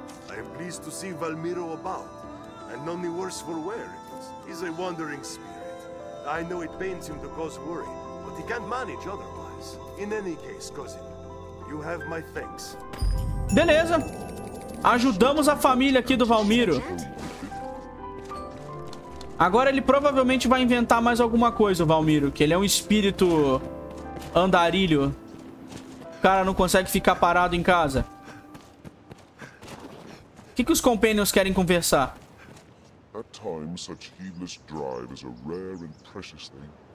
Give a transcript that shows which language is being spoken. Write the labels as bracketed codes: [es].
[en] I am pleased to see Valmiro about, and none the worse for wear. He's a wandering spirit. I know it pains him to cause worry, but he can't manage otherwise. In any case, cousin, you have my thanks. [pt] Beleza. Ajudamos a família aqui do Valmiro. Agora ele provavelmente vai inventar mais alguma coisa, o Valmiro. Que ele é um espírito andarilho. O cara não consegue ficar parado em casa. O que os companions querem conversar? [en] At times, such heedless drive is a rare and precious thing.